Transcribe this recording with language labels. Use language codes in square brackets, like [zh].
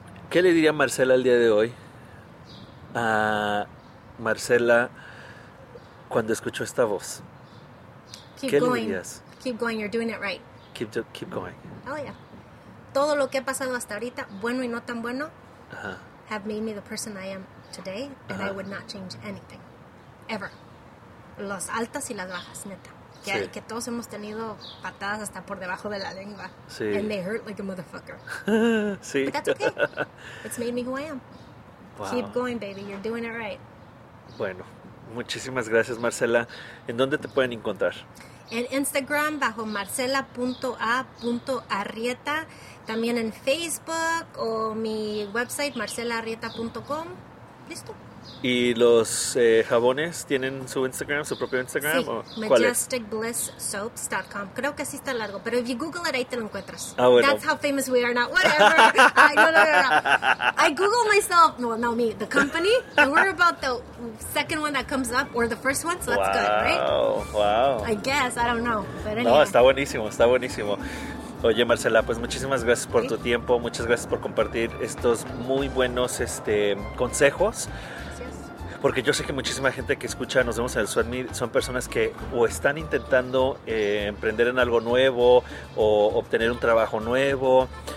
[es] ¿Qué le diría Marcela el día de hoy a Marcela cuando escuchó esta voz? ¿Qué le dirías? [en] Keep going, you're doing it right. Keep going. Oh, yeah. [es] Todo lo que ha pasado hasta ahorita, bueno y no tan bueno, uh-huh, [en] have made me the person I am today, and uh-huh, I would not change anything, ever. [es] Las altas y las bajas, neta. Que, sí, que todos hemos tenido patadas hasta por debajo de la lengua. Sí. [en] And they hurt like a motherfucker. [es] Sí. [en] But that's okay. It's made me who I am. Wow. Keep going, baby. You're doing it right. [es] Bueno, muchísimas gracias, Marcela. ¿En dónde te pueden encontrar? En Instagram, bajo marcela.a.arrieta. También en Facebook o mi website, marcelaarrieta.com. Listo. ¿Y los jabones tienen su Instagram, su propio Instagram? Sí, majesticblisssoaps.com. Creo que así está largo, pero [en] if you Google it, [es] ahí te lo encuentras. Ah, bueno. [en] That's how famous we are now. Whatever. No. I Google myself. Well, no, me. The company. And we're about the second one that comes up, or the first one, so that's good, right? Wow. I guess. I don't know. But anyway. [es] No, está buenísimo, está buenísimo. Oye, Marcela, pues muchísimas gracias por tu tiempo. Muchas gracias por compartir estos muy buenos consejos. Porque yo sé que muchísima gente que escucha Nos Vemos en el Swat Meet son personas que o están intentando emprender en algo nuevo o obtener un trabajo nuevo.